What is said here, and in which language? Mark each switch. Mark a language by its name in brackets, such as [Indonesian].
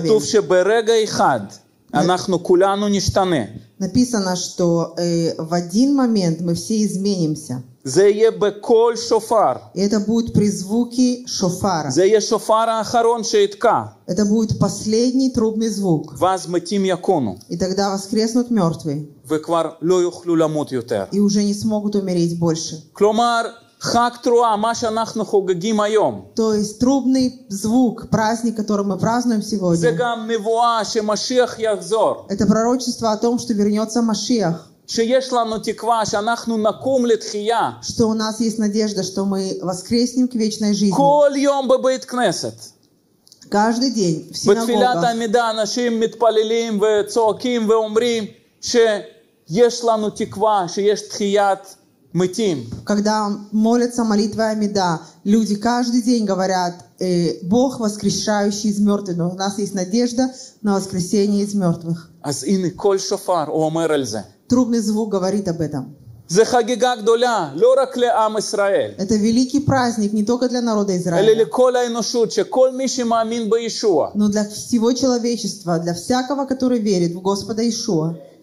[Hebrew] כתוב שברגע אחד אנחנו כולנו נשתנה. [Russian] Написано, что в один момент мы все изменимся. [Hebrew] זה יהיה בכל שופר. [Russian] Это будет при звуке шофара. [Hebrew] זה יהיה שופר האחרון שיתקע. [Russian] Это будет последний трубный звук. [Hebrew] ואז מתים יקומו. [Russian] И тогда воскреснут мертвые. [Hebrew] וכבר לא יוכלו למות יותר. [Russian] И уже не смогут умереть больше. [Hebrew] כלומר, חג תרועה, מה שאנחנו חוגגים היום. [Russian] То есть трубный звук, праздник, который мы празднуем сегодня. [Hebrew] זה גם מבואה שמשיח יחזור. [Russian] Это пророчество о том, что вернется Машиах. [Hebrew] שיש לנו תקווה שאנחנו נקום לתחייה. [Russian] Что у нас есть надежда, что мы воскреснем к вечной жизни. [Hebrew] כל יום בבית כנסת. [Russian] Каждый день в синагогах. [Hebrew] בתפילת העמידה אנשים מתפללים וצועקים ואומרים שיש לנו תקווה, שיש תחיית מתים. [Russian] Когда молятся молитвой עמידה, люди каждый день говорят: Бог воскрешающий из мертвых. Но у нас есть надежда на воскресение из мертвых. [Hebrew] אז הנה כל שופר אומר על זה. [Russian] Трубный звук говорит об этом. Это великий праздник не только для народа Израиля, но для всего человечества, для всякого, который верит в Господа Иешуа.